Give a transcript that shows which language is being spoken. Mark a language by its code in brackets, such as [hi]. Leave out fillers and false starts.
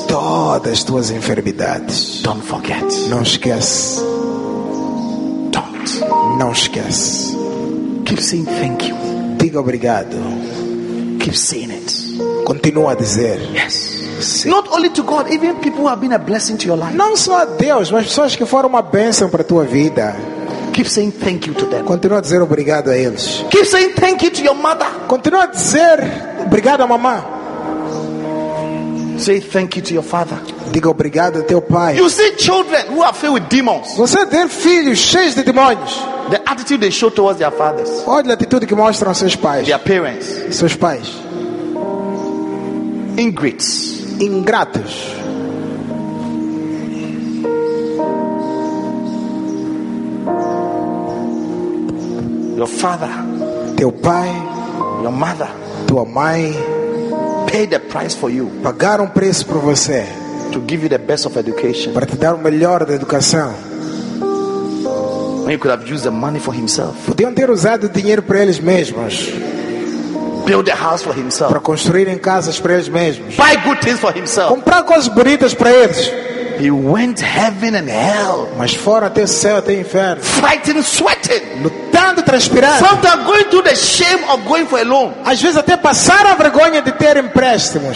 [pt] De todas as tuas enfermidades. [en] Don't forget. [pt] Não esquece. [en] Don't. [pt] Não esquece. [en] Keep saying thank you. [pt] Diga obrigado. [en] Keep saying it. [pt] Continua a dizer. [en] Yes. [pt] Sim. [en] Not only to God, even people who have been a blessing to your life. [pt] Não só a Deus, mas pessoas que foram uma bênção para a tua vida. [en] Keep saying thank you to them. [pt] Continua a dizer obrigado a eles. [en] Keep saying thank you to your mother. [pt] Continua a dizer obrigado a mamã. [en] Say thank you to your father. [pt] Diga obrigado ao teu pai. [en] You see children who are filled with demons. [pt] Você vê filhos cheios de demônios. [en] The attitude they show towards their fathers. [pt] Olha a atitude que mostram seus pais. [en] Their parents. [pt] Seus pais. [en] Ingrates. [pt] Ingratos. [en] Your father, [pt] teu pai, [en] your mother, [pt] tua mãe, [en] paid the price for you. [pt] Pagaram preço por você. [en] To give you the best of education. [pt] Para te dar o melhor da educação. [en] When you could have used the money for himself. [pt] Podiam ter usado o dinheiro para eles mesmos. [en] Build a house for himself. [pt] Para construírem casas para eles mesmos. [en] Buy good things for himself. [pt] Comprar coisas bonitas para eles. [en] He went heaven and hell. [pt] Mas fora até o céu, até o inferno. [en] Fighting, sweating. [pt] Lutando, transpirando. [en] Sometimes going through the shame of going for a loan. [pt] Às vezes até passar a vergonha de ter empréstimos.